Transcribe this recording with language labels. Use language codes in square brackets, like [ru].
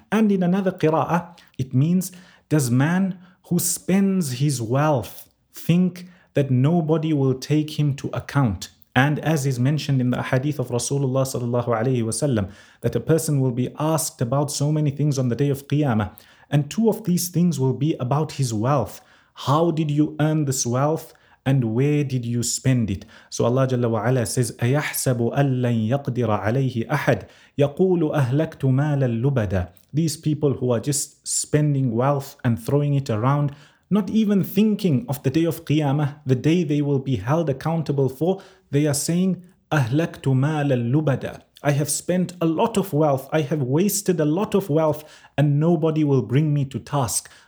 [en] And in another qira'ah, it means, does man who spends his wealth think that nobody will take him to account? And as is mentioned in the hadith of Rasulullah sallallahu alayhi wa sallam, that a person will be asked about so many things on the day of Qiyamah, and two of these things will be about his wealth. How did you earn this wealth? And where did you spend it? So Allah Jalla wa Ala says, [ar] أَيَحْسَبُ أَلَّنْ يَقْدِرَ عَلَيْهِ أَحَدٍ يَقُولُ أَهْلَكْتُ مَالَ الْلُبَدَ. [en] These people who are just spending wealth and throwing it around, not even thinking of the day of Qiyamah, the day they will be held accountable for, they are saying, [ar] أَهْلَكْتُ مَالَ الْلُبَدَ. [en] I have spent a lot of wealth, I have wasted a lot of wealth, and nobody will bring me to task.